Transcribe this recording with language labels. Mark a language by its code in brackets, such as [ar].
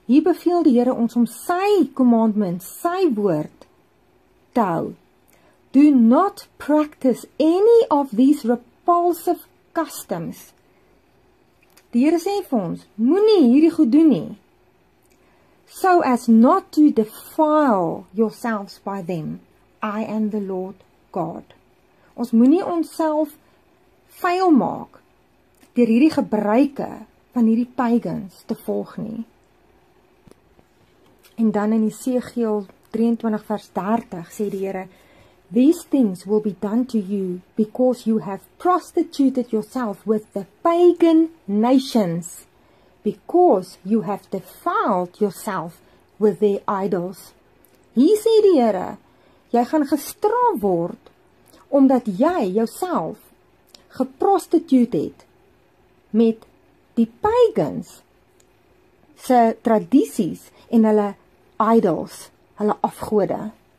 [af] Hier beveel die Here ons om sy commandment, sy woord, te hou. [en] Do not practice any of these repulsive customs. [af] Die Here sê vir ons, moenie hierdie goed doen nie. [en] So as not to defile yourselves by them, I am the Lord God. [af] Ons moenie onsself vuil maak deur hierdie gebruike van hierdie pagans te volg nie. En dan in Esegiël 23 vers 30 sê die Here: [en] These things will be done to you because you have prostituted yourself with the pagan nations. Because you have defiled yourself with their idols. [af] Hier sê die Here, Jy gaan gestraf word omdat jy jouself geprostitute het met die pagans se tradisies en hulle idols, hulle afgode.